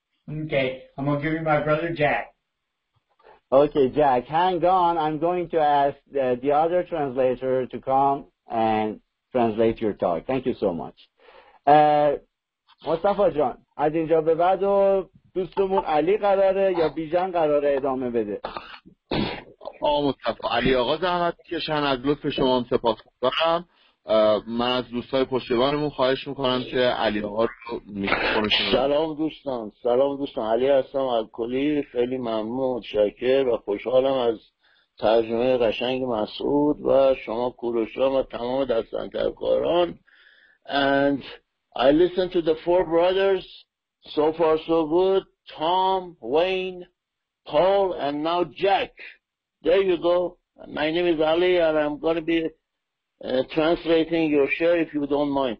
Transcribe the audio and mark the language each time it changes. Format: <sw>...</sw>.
<en>Okay, I'm going to give you my brother Jack. Okay, Jack, hang on. I'm going to ask the other translator to come and translate your talk. Thank you so much.</en> <fa>Mustafa John, از اینجا به بعد دوستمون علی قراره یا بیژن قراره ادامه بده؟ مصطفی علی آقا زحمت کشن، از لطف شما هم سپاسگزارم. من از دوستای پشتیبانمون خواهش میکنم که علی آقا رو میکنم. سلام دوستان، علی هستم الکلی. خیلی ممنون، متشکرم و خوشحالم از ترجمه قشنگ مسعود و شما کوروشا و تمام دستنکرکاران.</fa> <en>And I listen to the four brothers, so far so good, Tom, Wayne, Paul and now Jack. There you go. My name is Ali, and I'm going to be translating your share if you don't mind.</en>